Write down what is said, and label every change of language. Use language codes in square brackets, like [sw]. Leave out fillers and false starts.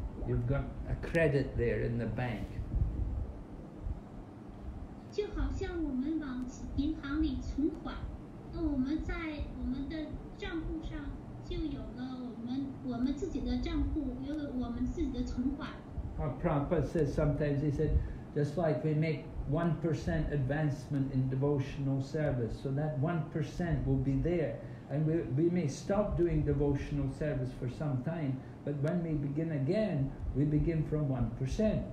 [en] You've got a credit there in the bank. [zh] 就好像我们往银行里存款，那我们在我们的账户上就有了我们自己的账户，有了我们自己的存款。 [en] Our Prabhupada says sometimes he said, just like we make 1% advancement in devotional service, so that 1% will be there, and we may stop doing devotional service for some time, but when we begin again, we begin from 1%.